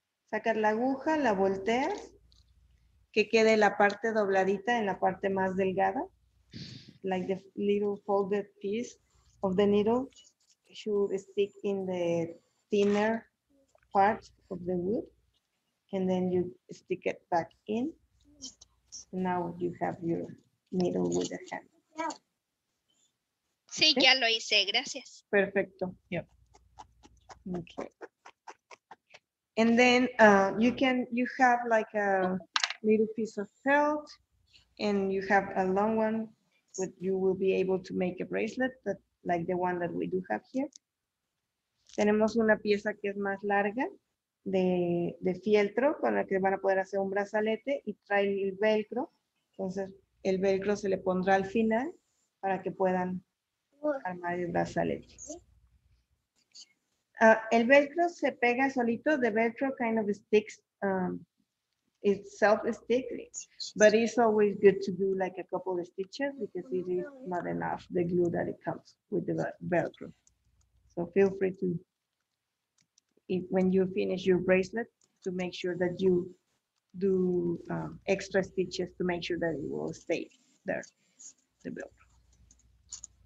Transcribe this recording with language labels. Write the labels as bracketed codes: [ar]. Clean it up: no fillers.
[es] Sacas la aguja, la volteas, que quede la parte dobladita en la parte más delgada. [en] Like the little folded piece of the needle should stick in the thinner part of the wood. And then you stick it back in. So now you have your needle with the hand. [es] Sí, okay. Ya lo hice, gracias. Perfecto. [en] Yep. Okay. And then you have like a little piece of felt, and you have a long one, but you will be able to make a bracelet that, like the one that we do have here. [es] Tenemos una pieza que es más larga de fieltro con la que van a poder hacer un brazalete y trae el velcro. Entonces el velcro se le pondrá al final para que puedan armar el brazalete. El velcro se pega solito. [en] The velcro kind of sticks itself sticky, but it's always good to do like a couple of stitches because it is not enough, the glue that it comes with the velcro. So feel free to, if, when you finish your bracelet, to make sure that you do extra stitches to make sure that it will stay there, the velcro.